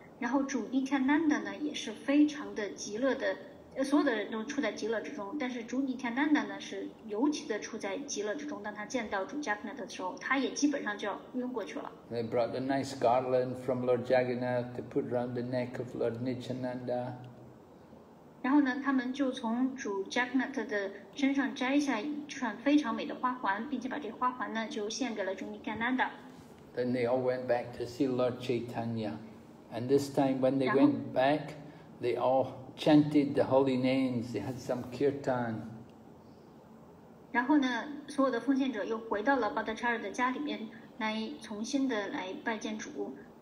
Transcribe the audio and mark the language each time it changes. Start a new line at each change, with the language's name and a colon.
Chinese: 然后主 Nityananda 呢，也是非常的极乐的，所有的人都处在极乐之中。但是主 Nityananda 呢，是尤其的处在极乐之中。当他见到主 Jagannath 的时候，他也基本上就要晕过去了。
English: They brought a nice garland from Lord Jagannath to put around the neck of Lord Nityananda.
Chinese: 然后呢，他们就从主 Jagannath 的身上摘下一串非常美的花环，并且把这花环呢就献给了主尼提亚南达。
English: Then they all went back to see Lord Chaitanya, and this time when they went back, they all chanted the holy names. They had some kirtan.
Chinese: 然后呢，所有的奉献者又回到了 Bhattacharya 的家里面来重新的来拜见主。